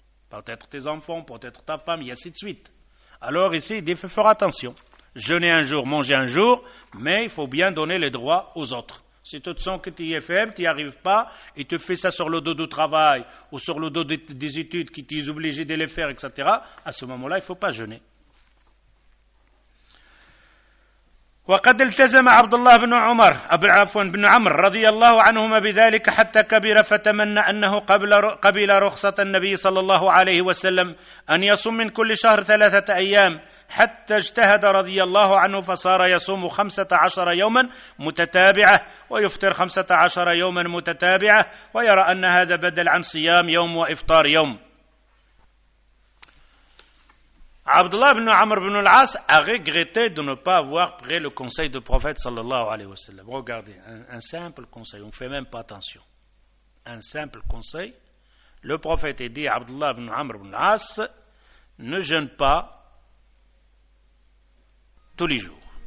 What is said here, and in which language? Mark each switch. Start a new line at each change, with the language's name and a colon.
French: Peut-être tes enfants, peut-être ta femme, et ainsi de suite. Alors ici, il dit, fais fort attention. Jeûner un jour, manger un jour, mais il faut bien donner les droits aux autres. Si tu te sens que tu es faible, tu n'y arrives pas, et tu fais ça sur le dos du travail, ou sur le dos des études, qui t'es obligé de les faire, etc., à ce moment-là, il ne faut pas jeûner.
Arabic: وقد التزم عبد الله بن عمر عفوا بن عمرو رضي الله عنهما بذلك حتى كبر فتمنى أنه قبل رخصة النبي صلى الله عليه وسلم أن يصوم من كل شهر 3 أيام حتى اجتهد رضي الله عنه فصار يصوم 15 يوما متتابعة ويفطر 15 يوما متتابعة ويرى أن هذا بدل عن صيام يوم وإفطار يوم.
French: Abdullah ibn Amr ibn al-As a regretté de ne pas avoir pris le conseil du prophète sallallahu alayhi wa sallam. Regardez, un simple conseil, on ne fait même pas attention. Un simple conseil, le prophète a dit à Abdullah ibn Amr ibn al-As, ne jeûne pas tous les jours.